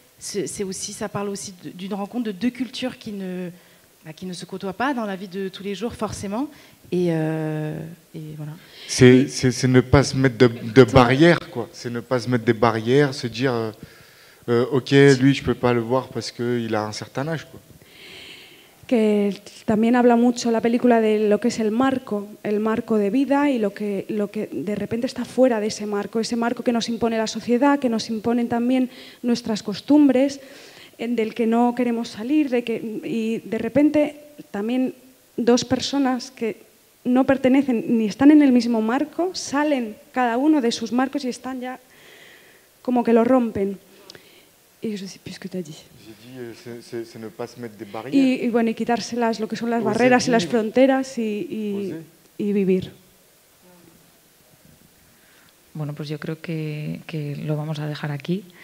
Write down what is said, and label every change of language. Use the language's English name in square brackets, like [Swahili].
[French] C'est aussi, ça parle aussi d'une rencontre de deux cultures qui ne se côtoient pas dans la vie de tous les jours, forcément. Et voilà. C'est ne pas se mettre de barrières, quoi. C'est ne pas se mettre des barrières, se dire ok, lui, je ne peux pas le voir parce qu'il a un certain âge, quoi. [Spanish] Que también habla mucho la película de lo que es el marco de vida y lo que de repente está fuera de ese marco que nos impone la sociedad, que nos imponen también nuestras costumbres, del que no queremos salir, y de repente también dos personas que no pertenecen ni están en el mismo marco, salen cada uno de sus marcos y están ya como que lo rompen. [French] Et je ne sais plus ce que tu as dit. J'ai dit, c'est ne pas se mettre des barrières. [Spanish] Et bueno, quitarse las, lo que son las barreras y las fronteras y vivir. Bueno, pues yo creo que lo vamos a dejar aquí.